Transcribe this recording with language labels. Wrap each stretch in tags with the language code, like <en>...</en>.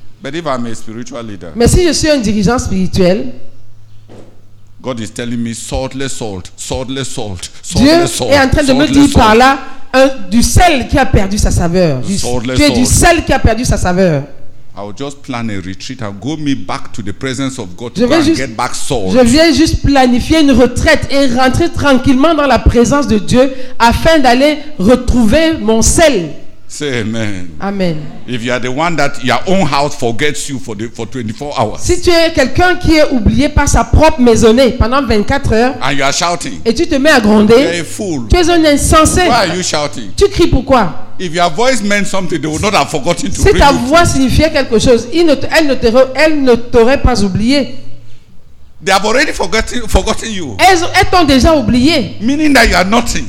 <en>But if I'm a spiritual leader,</en> <fr>mais si je suis un dirigeant spirituel,</fr> <en>God is telling me saltless salt.</en> <fr>Dieu est en train de me dire par là du sel qui a perdu sa saveur. Tu es du sel qui a perdu sa saveur.</fr> <en>I'll just plan a retreat. I'll go me back to the presence of God to go and get back salt.</en> <fr>Je viens juste planifier une retraite et rentrer tranquillement dans la présence de Dieu afin d'aller retrouver mon sel.</fr> <en>Say amen.</en> <fr>Amen.</fr> <en>If you are the one that your own house forgets you for the for 24 hours.</en> <fr>Si tu es quelqu'un qui est oublié par sa propre maisonnée pendant 24 heures.</fr> <en>And you are shouting.</en> <fr>Et tu te mets à gronder.</fr> <en>You are a fool.</en> <fr>Tu es un insensé.</fr> <en>Why are you shouting?</en> <fr>Tu cries pourquoi?</fr> <en>If your voice meant something, they would not have forgotten to bring it.</en> <fr>Si ta voix signifiait quelque chose, elle ne t'aurait pas oublié.</fr> <en>They have already forgotten you.</en> <fr>Elles t'ont déjà oublié.</fr> <en>Meaning that you are nothing.</en>